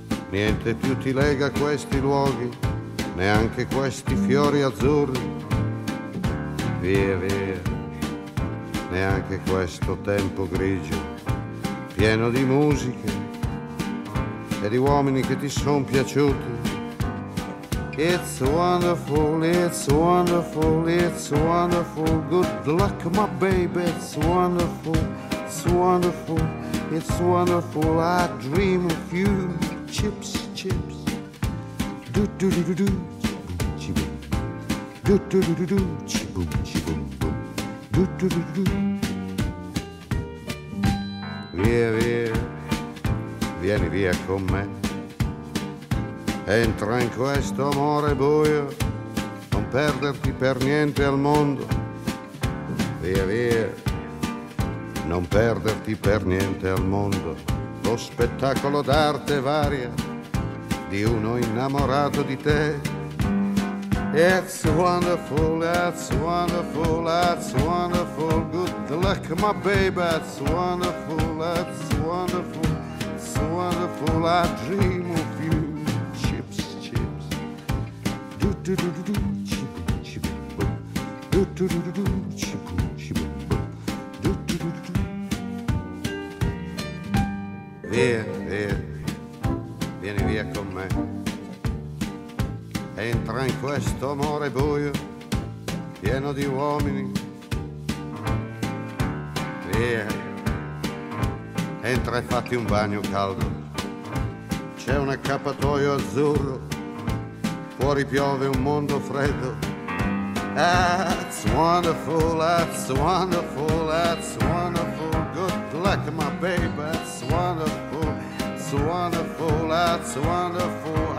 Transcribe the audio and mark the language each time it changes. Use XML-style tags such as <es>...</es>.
<it>Niente più ti lega questi luoghi, neanche questi fiori azzurri. Via, via, neanche questo tempo grigio, pieno di musiche e di uomini che ti son piaciuti.</it> <en>It's wonderful, it's wonderful, it's wonderful. Good luck, my baby, it's wonderful. It's wonderful, it's wonderful. I dream of you. Chips, chips. Do do do do do. Chibum, chibum. Do do do do do. Chibum, chibum. Do do do do do.</en> <it>Via, via. Vieni via con me. Entra in questo amore buio. Non perderti per niente al mondo. Via, via. Non perderti per niente al mondo, lo spettacolo d'arte varia di uno innamorato di te.</it> <en>It's wonderful, that's wonderful, that's wonderful. Good luck, my baby, that's wonderful, it's wonderful. I dream of you. Chips, chips. Do do do do do, chibum, chibum, boom. Do do do do do, chibum, chibum, boom.</en> <it>Do do do do do. Via, via, vieni via con me. Entra in questo amore buio, pieno di uomini. Via, entra e fatti un bagno caldo. C'è un accappatoio azzurro, fuori piove un mondo freddo.</it> <en>That's wonderful, that's wonderful, that's wonderful. Good luck, my baby, that's wonderful. It's wonderful, that's wonderful.</en>